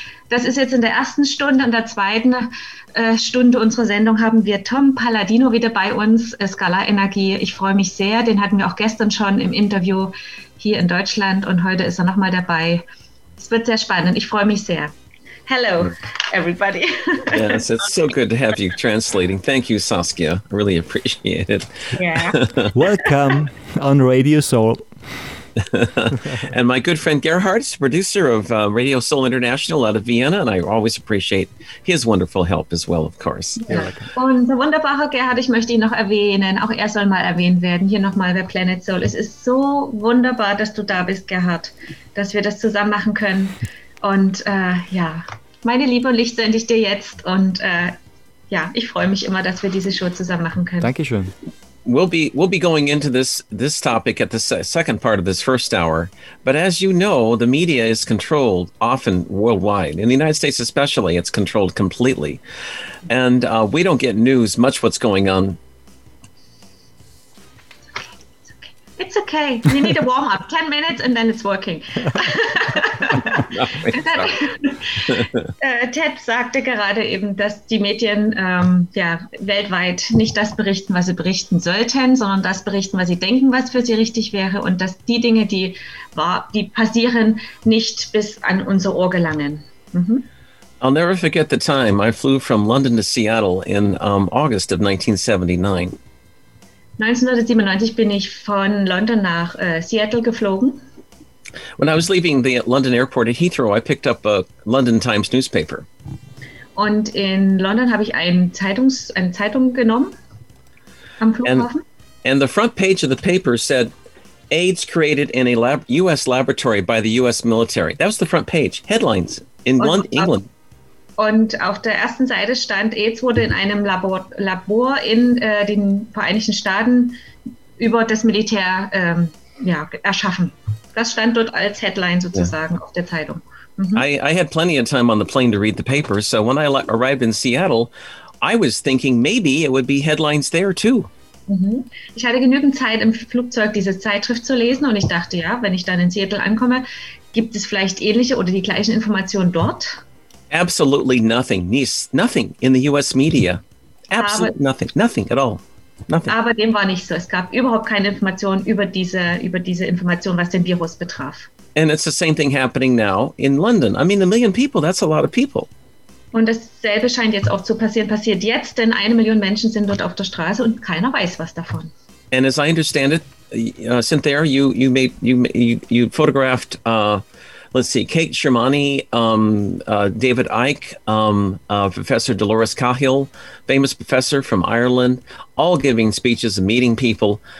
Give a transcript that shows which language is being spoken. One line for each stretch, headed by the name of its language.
German: Das ist jetzt in der ersten Stunde. In der zweiten Stunde unserer Sendung haben wir Tom Palladino wieder bei uns, Scala Energy. Ich freue mich sehr. Den hatten wir auch gestern schon im Interview hier in Deutschland und heute ist er nochmal dabei. Es wird sehr spannend. Ich freue mich sehr.
English: Hello, everybody. Yes, it's so good to have you translating. Thank you, Saskia. I really appreciate it. Yeah. Welcome on Radio Soul. And my good friend Gerhard is producer of Radio Soul International out of Vienna, and I always appreciate his wonderful help as well, of course. Yeah.
German: Und der wunderbare Gerhard, ich möchte ihn noch erwähnen, auch er soll mal erwähnt werden, hier nochmal bei Planet Soul. Es ist so wunderbar, dass du da bist, Gerhard, dass wir das zusammen machen können. Und ja, meine Liebe und Licht sende ich dir jetzt und ja, ich freue mich immer, dass wir diese Show zusammen machen können. Dankeschön.
English: We'll be going into this topic at the second part of this first hour. But as you know, the media is controlled often worldwide. In the United States especially, it's controlled completely. And we don't get news much what's going on. It's okay. We need a warm-up. 10 minutes and then it's working.
German: Ted sagte gerade eben, dass die Medien ja, weltweit nicht das berichten, was sie berichten sollten, sondern das berichten, was sie denken, was für sie richtig wäre und dass die Dinge, die passieren, nicht bis an unser Ohr gelangen.
English: Mhm. I'll never forget the time I flew from London to Seattle in August of 1979.
German: 1997 bin ich von London nach Seattle geflogen.
English: When I was leaving the London airport at Heathrow, I picked up a London Times newspaper.
German: Und in London habe ich eine Zeitung genommen am Flughafen.
English: And the front page of the paper said, AIDS created in a U.S. laboratory by the U.S. military. That was the front page, headlines, in London, England.
German: Und auf der ersten Seite stand, AIDS wurde in einem Labor in den Vereinigten Staaten über das Militär ja, erschaffen. Das stand dort als Headline sozusagen auf der Zeitung. Mhm.
English: I had plenty of time on the plane to read the paper, so when I arrived in Seattle, I was thinking maybe it would be headlines there too. Mhm.
German: Ich hatte genügend Zeit im Flugzeug, diese Zeitschrift zu lesen und ich dachte, ja, wenn ich dann in Seattle ankomme, gibt es vielleicht ähnliche oder die gleichen Informationen dort?
English: Absolutely nothing, nothing in the US media. Absolutely nothing, nothing at all. Nothing.
German: Aber dem war nicht so. Es gab überhaupt keine Informationen über diese Information, was den Virus betraf.
English: And it's the same thing happening now in London. I mean, 1 million people, that's a lot of people.
German: Und dasselbe scheint jetzt auch zu passieren. Passiert jetzt, denn 1 Million Menschen sind dort auf der Straße und keiner weiß was davon.
English: And as I understand it, Cynthia, you photographed let's see, Kate Shermani, David Icke, Professor Dolores Cahill, famous professor from Ireland, all giving speeches and meeting people.